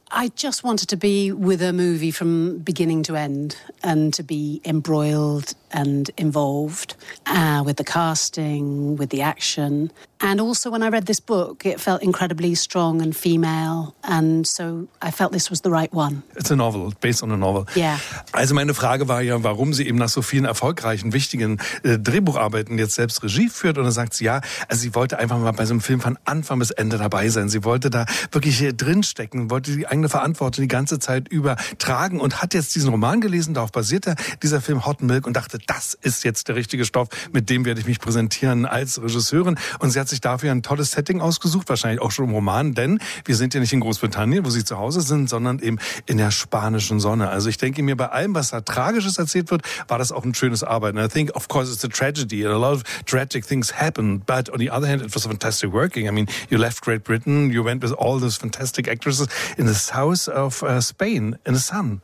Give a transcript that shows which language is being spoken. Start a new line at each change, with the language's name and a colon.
English: I just wanted to be with a movie from beginning to end and to be embroiled and involved with the casting, with the action. And also when I read this book, it felt incredibly strong and female. And so I felt this was the right one. It's a novel, based on a novel. Yeah.
German: Also meine Frage war ja, warum sie eben nach so vielen erfolgreichen, wichtigen Drehbucharbeiten jetzt selbst Regie führt. Und dann sagt sie ja, also sie wollte einfach mal bei so einem Film von Anfang bis Ende dabei sein. Sie wollte da wirklich hier drinstecken, wollte die eigene Verantwortung die ganze Zeit übertragen und hat jetzt diesen Roman gelesen. Darauf basiert dieser Film Hot Milk und dachte, das ist jetzt der richtige Stoff, mit dem werde ich mich präsentieren als Regisseurin. Und sie hat sich dafür ein tolles Setting ausgesucht, wahrscheinlich auch schon im Roman, denn wir sind ja nicht in Großbritannien, wo sie zu Hause sind, sondern eben in der spanischen Sonne. Also ich denke mir, bei allem, was da Tragisches erzählt wird, war das auch ein schönes Arbeiten.
English: I think, of course, it's a tragedy and a lot of tragic things happen, but on the other hand, it was fantastic working. I mean, you left Great Britain, you went with all those fantastic actresses in this house of Spain in the sun.